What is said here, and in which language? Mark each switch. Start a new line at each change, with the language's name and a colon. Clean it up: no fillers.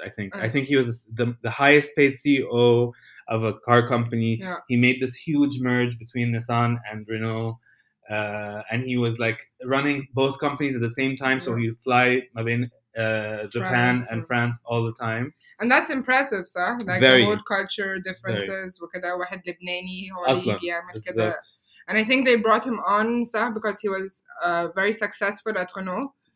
English: I think I think he was the highest paid CEO of a car company. Yeah. He made this huge merge between Nissan and Renault, and he was like running both companies at the same time. So he'd fly between Japan France, and so. France all the time. And that's impressive, sir. Like very, the whole culture differences.
Arabic: وكذا واحد لبناني هو اللي بيعمل كذا.
English: And I think they brought him on, sir, because he was very successful at Renault.